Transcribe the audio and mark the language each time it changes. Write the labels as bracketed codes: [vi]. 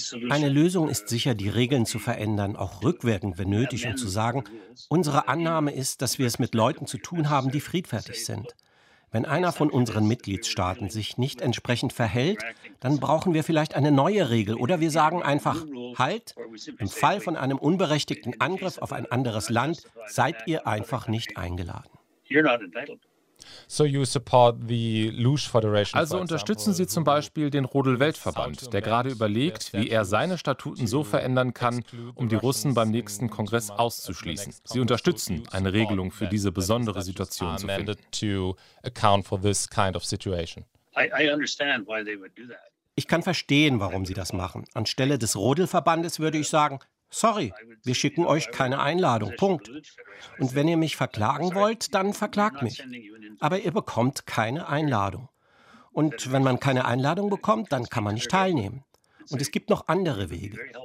[de] Eine Lösung ist sicher, die Regeln zu verändern, auch rückwirkend, wenn nötig, und zu sagen, unsere Annahme ist, dass wir es mit Leuten zu tun haben, die friedfertig sind. Wenn einer von unseren Mitgliedstaaten sich nicht entsprechend verhält, dann brauchen wir vielleicht eine neue Regel. Oder wir sagen einfach, halt, im Fall von einem unberechtigten Angriff auf ein anderes Land seid ihr einfach nicht eingeladen. [en] So you support the Luge Federation. [de] Also unterstützen Sie zum Beispiel den Rodel-Weltverband, der gerade überlegt, wie er seine Statuten so verändern kann, um die Russen beim nächsten Kongress auszuschließen. Sie unterstützen eine Regelung für diese besondere Situation zu finden. [en] To account for this kind of situation. I understand why they would do that. [de] Ich kann verstehen, warum Sie das machen. Anstelle des Rodel-Verbandes würde ich sagen, sorry, wir schicken euch keine Einladung, Punkt. Und wenn ihr mich verklagen wollt, dann verklagt mich. Aber ihr bekommt keine Einladung. Und wenn man keine Einladung bekommt, dann kann man nicht teilnehmen. Und es gibt noch andere Wege.